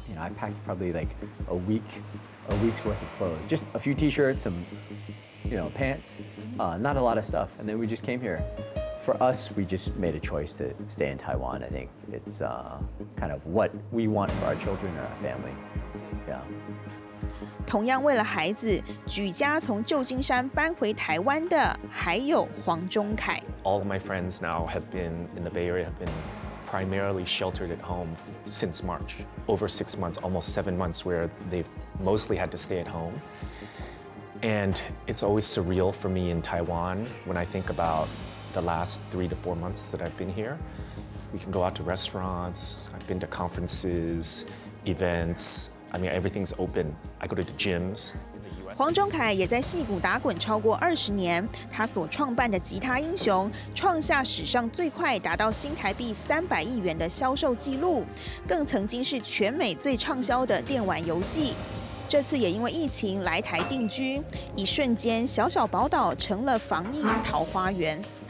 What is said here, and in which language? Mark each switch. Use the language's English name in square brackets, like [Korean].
[English] You know, I packed probably like a week's worth of clothes, just a few T-shirts, some, you know, pants, not a lot of stuff, and then we just came here. For us, we just made a choice to stay in Taiwan. I think it's kind of what we want for our children and our family. Yeah. [Chinese] 同样为了孩子，举家从旧金山搬回台湾的还有黄忠凯。 [English] All of my friends now have been in the Bay Area, have been primarily sheltered at home since March. Over 6 months, almost 7 months, where they've mostly had to stay at home. And it's always surreal for me in Taiwan when I think about. The last 3 to 4 months that I've been here, we can go out to restaurants, I've been to conferences, events, I mean, everything's open. I go to the gyms. [Chinese] 黄忠凯也在矽谷打滚超过20年，他所创办的吉他英雄创下史上最快达到新台币300亿元的销售记录，更曾经是全美最畅销的电玩游戏。这次也因为疫情来台定居，一瞬间小小宝岛成了防疫桃花源。